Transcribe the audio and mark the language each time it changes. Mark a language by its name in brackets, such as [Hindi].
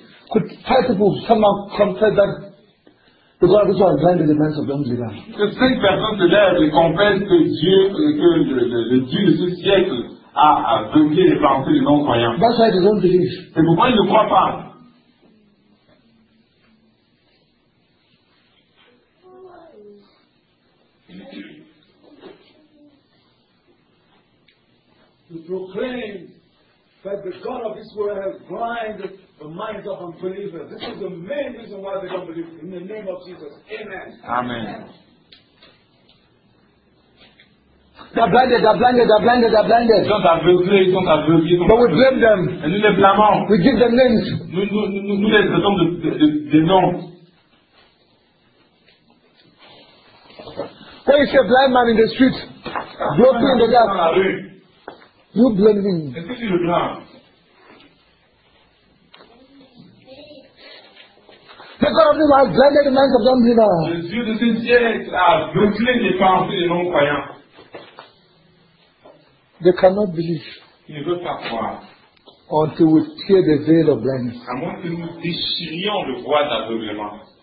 [English] Could five people somehow confess that the God of this world blinded the minds of the unbelievers? [French] Que cinq personnes se lèvent et confessent que le Dieu de ce siècle a aveuglé les pensées des non-croyants. [English] That's why they don't believe. [French] C'est pourquoi ils ne croient pas. [English] To proclaim that the God of this world has blinded the minds of unbelievers. This is the main reason why they don't believe in the name of Jesus. Amen. [French] Amen. [English] They're blinded. [French] Ils sont aveuglés. [English] But we blame them. [French] Et nous les blâmons. [English] We give them names. [French] Nous les traitons de noms. [English] When you see a blind man in the street, groping in the dark. You blame him. The God of this world has blinded the minds of the unbelievers. [French] Le Dieu de ce siècle a aveuglé les pensées des non-croyants. [English] They cannot believe. [French] Ils ne veulent pas croire. [English] Until we tear the veil of blindness. [French] À moins que nous déchirions le voile d'aveuglement.